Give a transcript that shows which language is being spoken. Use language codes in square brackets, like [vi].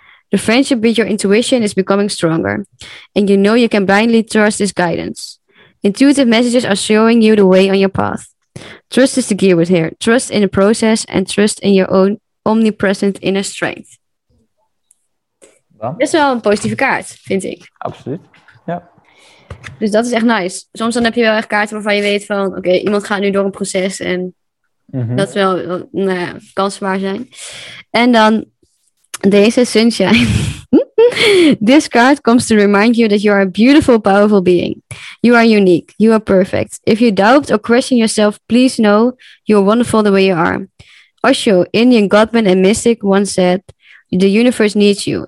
[en] The friendship with your intuition is becoming stronger. And you know you can blindly trust this guidance. Intuitive messages are showing you the way on your path. Trust is the key word here. Trust in the process and trust in your own omnipresent inner strength. Well, [nl] dat is wel een positieve kaart, vind ik. Absoluut, ja. Dus dat is echt nice. Soms dan heb je wel echt kaarten waarvan je weet van... Oké, iemand gaat nu door een proces en... Mm-hmm. Dat is wel kansbaar zijn. En dan deze sunshine. [en] This card comes to remind you that you are a beautiful, powerful being. You are unique. You are perfect. If you doubt or question yourself, please know you are wonderful the way you are. Osho, Indian godman and mystic, once said, the universe needs you.